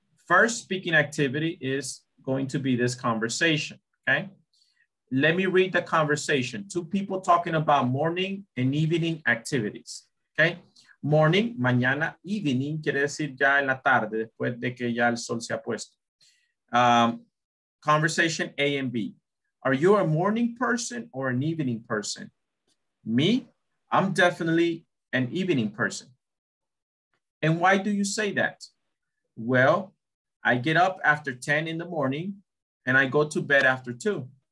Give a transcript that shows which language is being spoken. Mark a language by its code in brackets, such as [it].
[en] First speaking activity is going to be this conversation, okay? Let me read the conversation. Two people talking about morning and evening activities, okay? [es] Morning, mañana, evening, quiere decir ya en la tarde, después de que ya el sol se ha puesto. [en] Conversation A and B. Are you a morning person or an evening person? Me, I'm definitely an evening person. And why do you say that? Well, I get up after 10 in the morning and I go to bed after 2.